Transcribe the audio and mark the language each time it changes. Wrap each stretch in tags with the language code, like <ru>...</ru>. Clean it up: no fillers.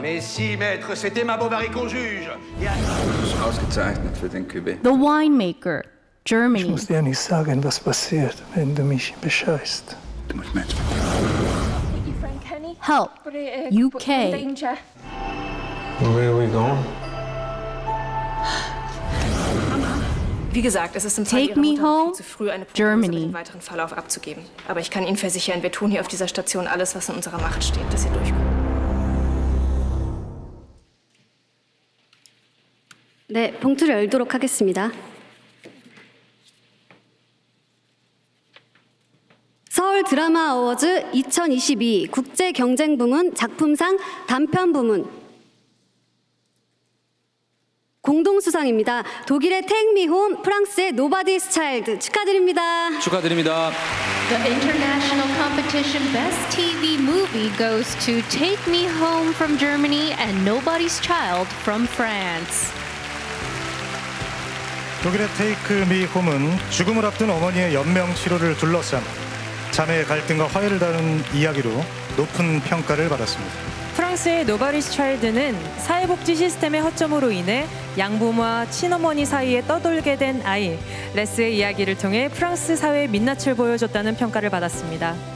<fr>Mais si, maître, c'est Emma Bovary qu'on juge.</fr> <de>Ausgezeichnet für den Cube.</de> <en>The Winemaker, Germany.</en> <de>Ich muss dir nicht sagen, was passiert, wenn du mich bescheißt. Du musst mit.</de> <en>Help. UK. Where are we going?</en> <de>Wie gesagt, es ist im</de> <en>Take</en> <de>Fall Ihrer Mutter viel zu früh, eine Prognose über den weiteren Verlauf abzugeben. Aber ich kann Ihnen versichern, wir tun hier auf dieser Station alles, was in unserer Macht steht, dass Sie durchkommen.</de> <ko>네, 봉투를 열도록 하겠습니다. 서울 드라마 어워즈 2022 국제 경쟁 부문 작품상 단편 부문. 공동수상입니다. 독일의 Take Me Home, 프랑스의 Nobody's Child. 축하드립니다. 축하드립니다.</ko> <en>The International Competition Best TV Movie goes to Take Me Home from Germany and Nobody's Child from France.</en> <ko>독일의 Take Me Home은 죽음을 앞둔 어머니의 연명 치료를 둘러싼 자매의 갈등과 화해를 다룬 이야기로 높은 평가를 받았습니다. 프랑스의 Nobody's Child는 사회복지 시스템의 허점으로 인해 양부모와 친어머니 사이에 떠돌게 된 아이, 레스의 이야기를 통해 프랑스 사회의 민낯을 보여줬다는 평가를 받았습니다.</ko>